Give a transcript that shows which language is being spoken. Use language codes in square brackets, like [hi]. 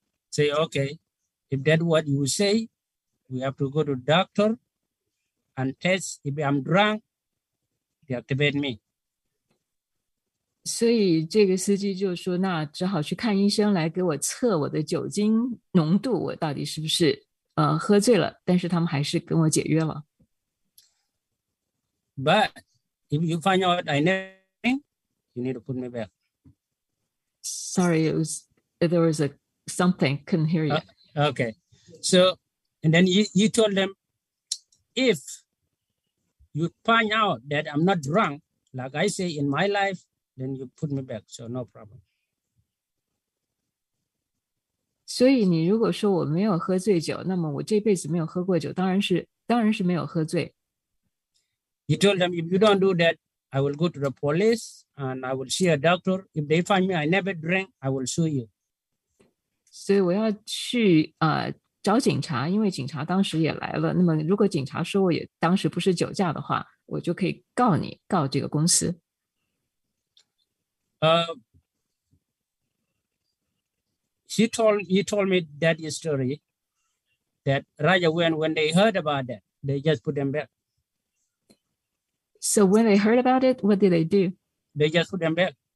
[en] Say, okay, if that's what you say, we have to go to doctor and test. If I'm drunk, deactivate me. [zh] 所以这个司机就说那只好去看医生来给我测我的酒精浓度我到底是不是喝醉了但是他们还是跟我解约了 [en] But if you find out I never drink, you need to put me back. Sorry, there was something, couldn't hear you. Okay, so and then you told them if you find out that I'm not drunk, like I say in my life, then you put me back, so no problem. [zh] 所以你如果说我没有喝醉酒, 那么我这辈子没有喝过酒, 当然是没有喝醉. [en] You told them, if you don't do that, I will go to the police and I will see a doctor. If they find me, I never drink, I will sue you. [zh] 所以我要去, 找警察, 因为警察当时也来了, 那么如果警察说我也当时不是酒驾的话, 我就可以告你, 告这个公司。 [en] He told me that story, that Raja, when they heard about that, they just put them back. So when they heard about it, what did they do? They just put them back.